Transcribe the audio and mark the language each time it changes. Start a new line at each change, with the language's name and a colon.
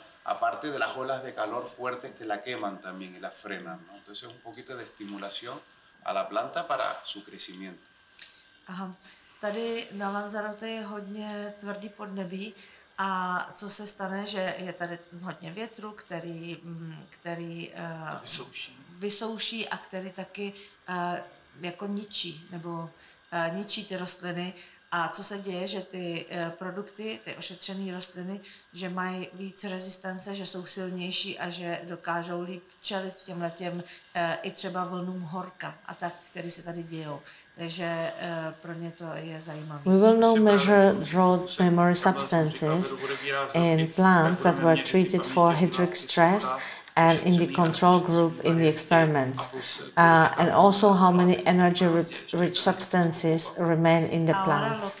Spanish: Aparte de las olas de calor fuertes que la queman también y la frenan, ¿no? Entonces es un poquito de estimulación a la planta para su crecimiento.
Czech: Aha. Tady na Lanzarote je hodně tvrdý podnebí A co se stane, že je tady hodně větru, který vysouší a který taky jako ničí, nebo ničí ty rostliny. A co se děje, že ty produkty, ty ošetřené rostliny, že mají víc rezistence, že jsou silnější a že dokážou líp čelit těmhle těm i třeba vlnům horka a tak, které se tady dějou. Takže pro ně to je zajímavé.
English: We will now measure drought memory substances in plants that were treated for hydric stress and in the control group in the experiments, and also how many energy-rich substances remain in the plants.